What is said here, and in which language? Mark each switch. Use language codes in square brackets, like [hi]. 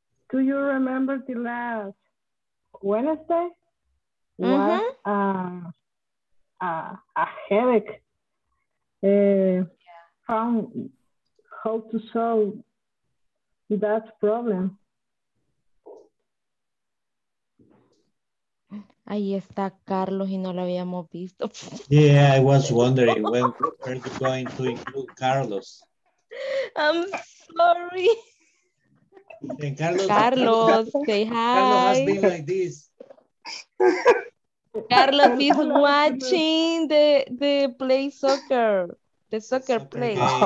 [en] Do you remember the last Wednesday? Mm-hmm. What a headache from how to solve that problem. [es] Ahí está Carlos y no lo habíamos visto. [en] Yeah, I was wondering when we're going to include Carlos. I'm sorry. And Carlos, Carlos, say hi. Carlos has been like this. Carlos is watching the play soccer. The soccer play.